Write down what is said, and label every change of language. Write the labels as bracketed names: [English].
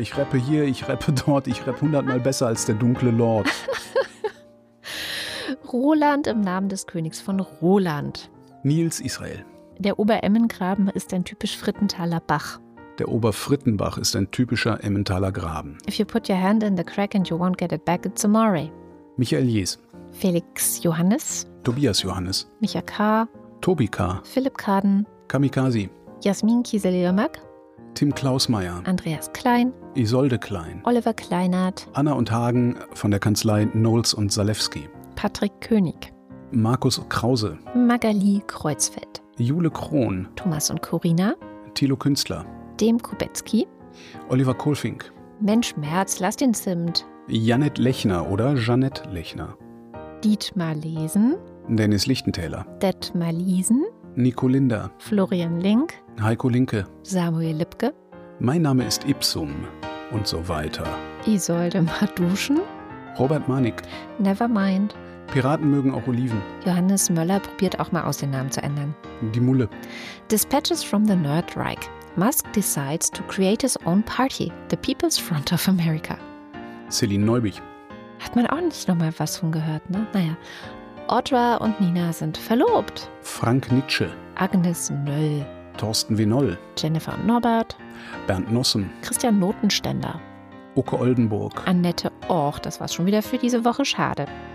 [German] Ich rappe hier, ich rappe dort, ich rappe 100-mal besser als der dunkle Lord. Roland im Namen des Königs von Roland. Nils Israel. Der Oberemmengraben ist ein typisch Frittenthaler Bach. Der Oberfrittenbach ist ein typischer Emmentaler Graben. [English] If you put your hand in the crack and you won't get it back, it's a moray. [German] Michael Jes. Felix Johannes. Tobias Johannes. Micha K. Tobi K. Philipp Kaden. Kamikaze. Jasmin Kiesel-Jörmack. Tim Klausmeier. Andreas Klein. Isolde Klein. Oliver Kleinert. Anna und Hagen von der Kanzlei Knowles und Salewski. Patrick König. Markus Krause. Magali Kreuzfeld. Jule Krohn. Thomas und Corina. Thilo Künstler. Dem Kubetzki. Oliver Kohlfink. Mensch, Merz, lass den Zimt. Janett Lechner oder Jeanette Lechner. Dietmar Lesen. Dennis Lichtentäler. Detmar Liesen. Nico Linder. Florian Link. Heiko Linke. Samuel Lipke. Mein Name ist Ipsum und so weiter. Isolde Marduschen. Robert Manik. [English] Nevermind. [German] Piraten mögen auch Oliven. Johannes Möller probiert auch mal aus, den Namen zu ändern. Die Mulle. [English] Dispatches from the Nerdreich. Musk decides to create his own party, the People's Front of America. [German] Celine Neubig. Hat man auch nicht nochmal was von gehört, ne? Naja. Audra und Nina sind verlobt. Frank Nitsche. Agnes Nöll. Thorsten W. Noll. Jennifer und Norbert. Bernd Nossen. Christian Notenständer. Uke Oldenburg. Annette Och, das war's schon wieder für diese Woche, schade.